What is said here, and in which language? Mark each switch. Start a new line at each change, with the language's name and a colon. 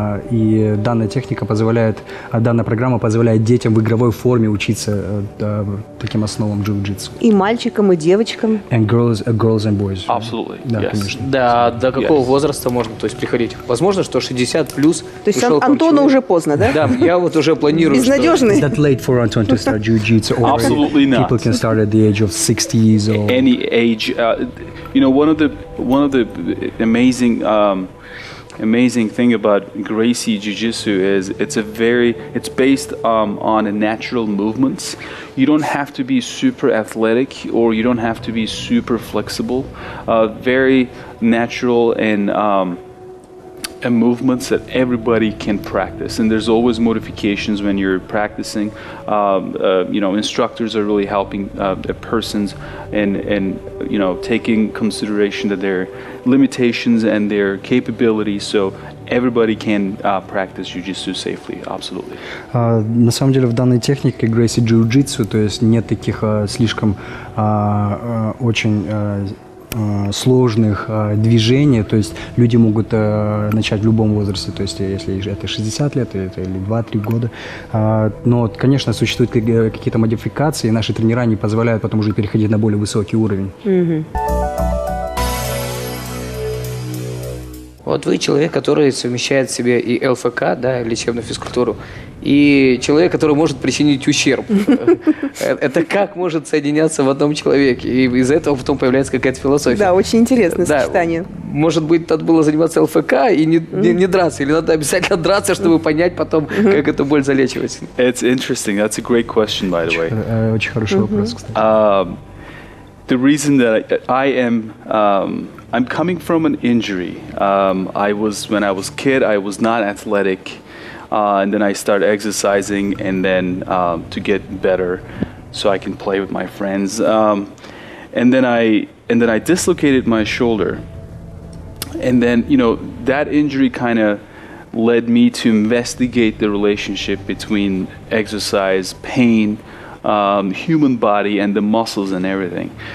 Russian: И данная техника позволяет, данная программа позволяет детям в игровой форме учиться таким основам джиу-джитсу. И мальчикам, и девочкам.
English: And girls, girls and boys. Absolutely.
Russian: Да,
English: yes.
Russian: конечно. Да, до какого
English: yes.
Russian: возраста можно, то есть, приходить? Возможно, что 60+. То есть Антону уже поздно, да? Да, я вот уже планирую. Безнадежный.
English: Is that late for Anton to start jiu-jitsu? Absolutely not. People can start at the age of 60 years old. Any age, you know, one of the amazing. Amazing thing about Gracie Jiu-Jitsu is it's based on natural movements. You don't have to be super athletic or you don't have to be super flexible. Very natural and movements that everybody can practice. And there's always modifications when you're practicing. You know, instructors are really helping the persons and you know, taking consideration that they're limitations and their capabilities, so everybody can practice jiu-jitsu safely, absolutely.
Russian: На самом деле в данной технике Gracie Jiu-Jitsu, то есть нет таких слишком очень сложных движений, то есть люди могут начать в любом возрасте, то есть если это 60 лет, это или 2-3 года. Но, конечно, существуют какие-то модификации, и наши тренера не позволяют потом уже переходить на более высокий уровень. Вот вы человек, который совмещает в себе и ЛФК, да, лечебную физкультуру, и человек, который может причинить ущерб. Это как может соединяться в одном человеке? И из-за этого потом появляется какая-то философия. Да, очень интересное сочетание. Может быть, надо было заниматься ЛФК и не драться? Или надо обязательно драться, чтобы понять потом, как эту боль залечивать?
English: It's interesting. That's a great question, by the way.
Russian: Очень хороший вопрос, кстати.
English: The reason that I am... I'm coming from an injury. When I was a kid, I was not athletic, and then I started exercising, and then to get better, so I can play with my friends. And then I dislocated my shoulder, and then you know that injury kind of led me to investigate the relationship between exercise, pain, human body, and the muscles and everything.